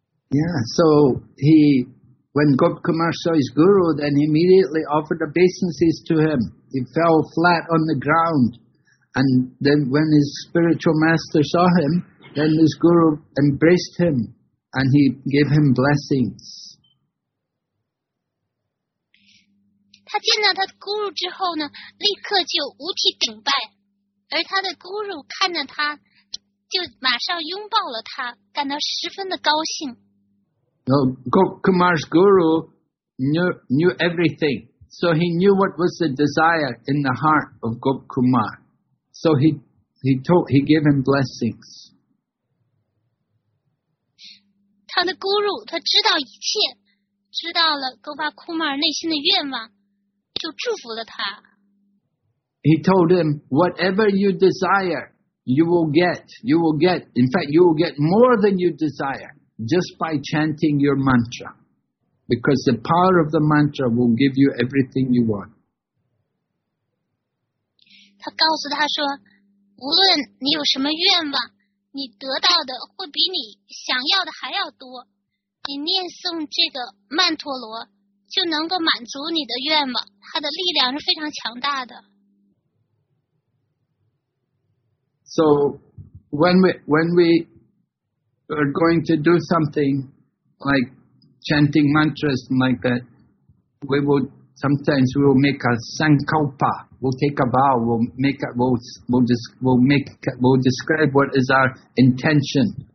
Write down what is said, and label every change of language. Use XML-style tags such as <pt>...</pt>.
<en>Yeah, so when Gop Kumar saw his guru, then he immediately offered obeisances to him. He fell flat on the ground. And then when his spiritual master saw him, then his guru embraced him and he gave him blessings.</en> <zh>他见到他的guru之后呢，立刻就五体顶拜，而他的guru看着他，就马上拥抱了他，感到十分的高兴。</zh> <en>No, Gop Kumar's guru knew everything. So he knew what was the desire in the heart of Gop Kumar. So he gave him blessings.</en> <zh>他的 guru, 他知道一切，知道了 Gopal Kumar 内心的愿望，就祝福了他。</zh> <en>He told him, whatever you desire, you will get. You will get, in fact, you will get more than you desire. Just by chanting your mantra, because the power of the mantra will give you everything you want.</en> <zh>他告诉他说，无论你有什么愿望，你得到的会比你想要的还要多。你念诵这个曼陀罗，就能够满足你的愿望，它的力量是非常强大的。</zh> <en>So when we are going to do something like chanting mantras and like that, we will sometimes we will make a sankalpa. We'll take a vow. We'll describe what is our intention.</en>